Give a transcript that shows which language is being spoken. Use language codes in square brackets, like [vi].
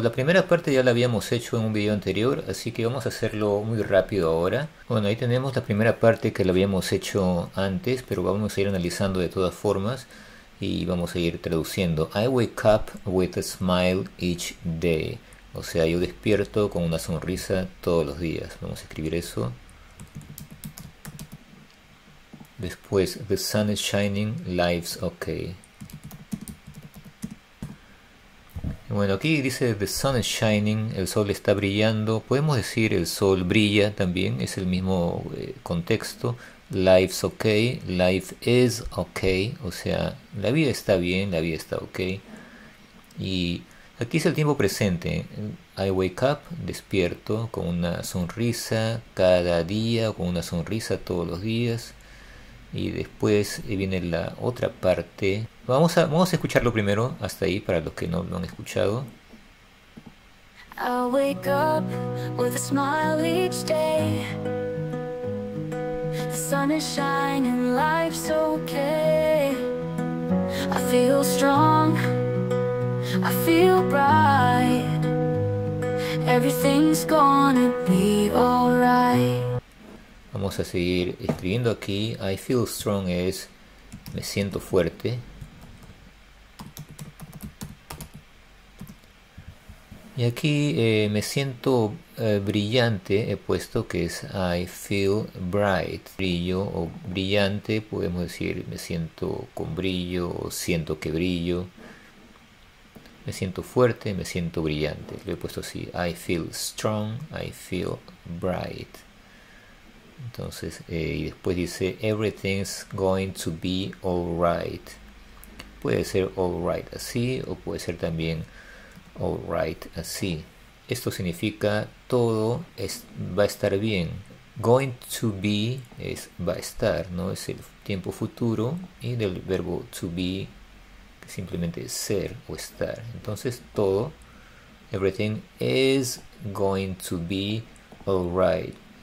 [es] La primera parte ya la habíamos hecho en un video anterior, así que vamos a hacerlo muy rápido ahora. Bueno, ahí tenemos la primera parte que la habíamos hecho antes, pero vamos a ir analizando de todas formas y vamos a ir traduciendo. [en] I wake up with a smile each day. [es] O sea, yo despierto con una sonrisa todos los días. Vamos a escribir eso. [en] Después, the sun is shining, life's okay. [es] Bueno, aquí dice [en] the sun is shining, [es] el sol está brillando. Podemos decir el sol brilla también, es el mismo contexto. [en] Life's okay, life is okay. [es] O sea, la vida está bien, la vida está okay. Y aquí es el tiempo presente. [en] I wake up, [es] despierto con una sonrisa cada día, con una sonrisa todos los días. Y después viene la otra parte. Vamos a escucharlo primero, hasta ahí, para los que no lo han escuchado. [en] I wake up with a smile each day. The sun is shining, life's okay. I feel strong, I feel bright. Everything's gonna be alright. [es] Vamos a seguir escribiendo aquí. [en] I feel strong [es] es me siento fuerte. Y aquí me siento brillante, he puesto que es [en] I feel bright. [es] Brillo o brillante, podemos decir me siento con brillo o siento que brillo. Me siento fuerte, me siento brillante. Lo he puesto así, [en] I feel strong, I feel bright. [es] Entonces, y después dice, [en] everything's going to be alright. [es] Puede ser alright así o puede ser también alright así. Esto significa todo va a estar bien. [en] Going to be [es] es va a estar, ¿no? Es el tiempo futuro y del verbo to be, que simplemente es ser o estar. Entonces, todo, [en] everything is going to be alright.